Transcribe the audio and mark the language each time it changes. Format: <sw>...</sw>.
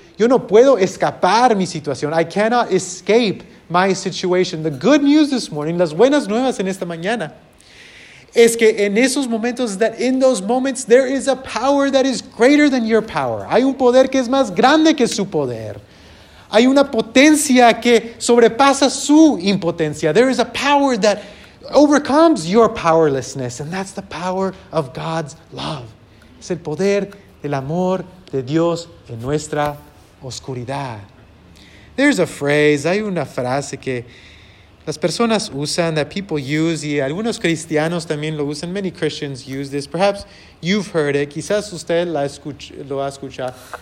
<es>Yo no puedo escapar mi situación.</es> <en>I cannot escape my situation. The good news this morning,</en> <es>las buenas nuevas en esta mañana, es que en esos momentos,</es> <en>that in those moments, there is a power that is greater than your power.</en> <es>Hay un poder que es más grande que su poder. Hay una potencia que sobrepasa su impotencia.</es> <en>There is a power that overcomes your powerlessness. And that's the power of God's love.</en> <es>Es el poder del amor de Dios en nuestra oscuridad.</es> <en>There's a phrase,</en> <es>hay una frase que las personas usan,</es> <en>that people use,</en> <es>y algunos cristianos también lo usan.</es> <en>Many Christians use this. Perhaps you've heard it.</en> <es>Quizás usted lo ha escuchado.</es>